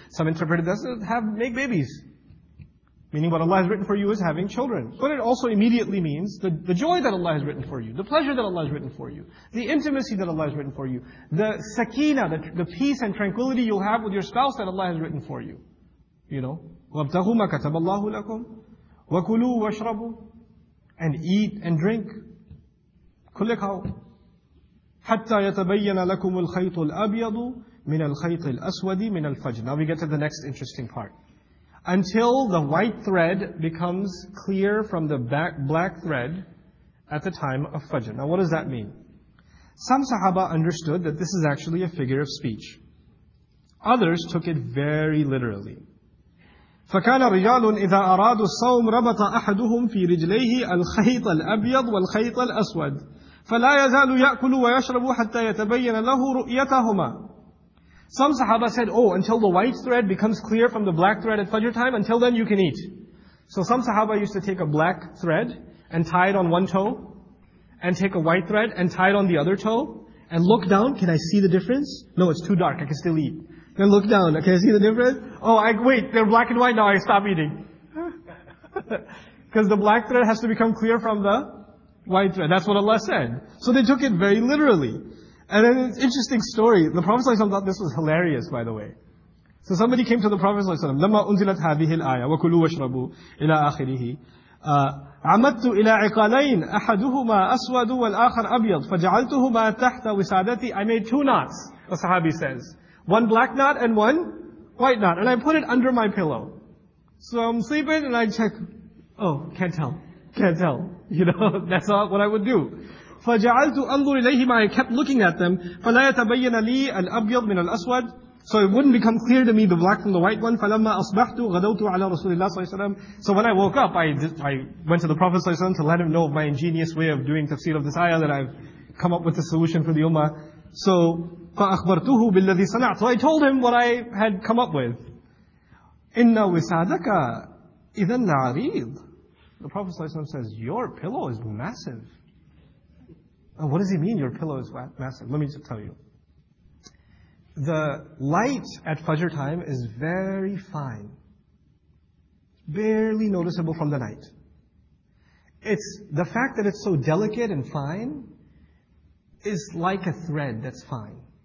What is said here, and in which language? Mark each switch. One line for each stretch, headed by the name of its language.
English: Some interpret it as make babies. Meaning what Allah has written for you is having children. But it also immediately means the joy that Allah has written for you, the pleasure that Allah has written for you, the intimacy that Allah has written for you, the sakina, the peace and tranquility you'll have with your spouse that Allah has written for you. You know?
Arabic: وَابْتَغُوا مَا كَتَبَ اللَّهُ لَكُمْ وَكُلُوا وَاشْرَبُوا
English: And eat and drink.
Arabic: كُلِّكَوْا حَتَّى يَتَبَيَّنَ لَكُمُ الْخَيْطُ الْأَبْيَضُ مِنَ الْخَيْطِ الْأَسْوَدِ مِنَ الْفَجْرِ
English: Now we get to the next interesting part. Until the white thread becomes clear from the black thread at the time of Fajr. Now what does that mean? Some Sahaba understood that this is actually a figure of speech. Others took it very literally.
Arabic: فَكَانَ رِجَالٌ إِذَا أَرَادُ الصَّوْمُ رَبَطَ أَحَدُهُمْ فِي رِجْلَيْهِ الْخَيْطَ الْأَبْيَضُ وَالْخَيْطَ الْأَسْوَدُ فَلَا يَزَالُ يَأْكُلُ وَيَشْرَبُ حَتَّى يَتَبَيَّنَ لَهُ رُؤْيَتَهُمَا
English: Some Sahaba said, oh, until the white thread becomes clear from the black thread at Fajr time, until then you can eat. So some Sahaba used to take a black thread and tie it on one toe, and take a white thread and tie it on the other toe, and look down, can I see the difference? No, it's too dark, I can still eat. Then look down, can I see the difference? Wait, they're black and white, now I stop eating. Because the black thread has to become clear from the white thread. That's what Allah said. So they took it very literally. And then an interesting story. The Prophet ﷺ thought this was hilarious, by the way. So somebody came to the Prophet ﷺ,
Arabic: لَمَّا أُنزِلَتْ هَذِهِ الْآيَةِ وَكُلُوا وَاشْرَبُوا إِلَىٰ آخِرِهِ عَمَدْتُ إِلَىٰ عِقَالَيْنِ أَحَدُهُمَا أَسْوَدُ وَالْآخَرَ أَبْيَضُ فَجَعَلْتُهُمَا تَحْتَ وِسَادَتِي
English: I made two knots, the Sahabi says. One black knot and one white knot. And I put it under my pillow. So I'm sleeping and I check, can't tell. You know, that's not what I would do.
Arabic: فَجَعَلْتُ أَنْظُرِ إِلَيْهِمَا
English: I kept looking at them.
Arabic: فَلَا يَتَبَيَّنَ لِي الْأَبْيَضُ مِنَ الْأَسْوَدِ
English: So it wouldn't become clear to me the black from the white one.
Arabic: فَلَمَّا أَصْبَحْتُ غَدَوْتُ عَلَى رَسُولِ اللَّهِ صَلَّى اللَّهُ عَلَيْهِ وَسَلَّمَ
English: So when I woke up, I went to the Prophet صلى الله عليه وسلم to let him know of my ingenious way of doing tafsir of this ayah that I've come up with a solution for the ummah. So
Arabic: فَأَخْبَرْتُهُ بِالَّذِي صَنَعْتُ
English: So I told him what I had come up with.
Arabic: إِنَّ وِسَادَكَ إِذًا لَعَرِيضٌ
English: The Prophet صلى الله عليه وسلم says, your pillow is massive. What does he mean, your pillow is massive? Let me just tell you. The light at Fajr time is very fine. Barely noticeable from the night. It's the fact that it's so delicate and fine is like a thread that's fine.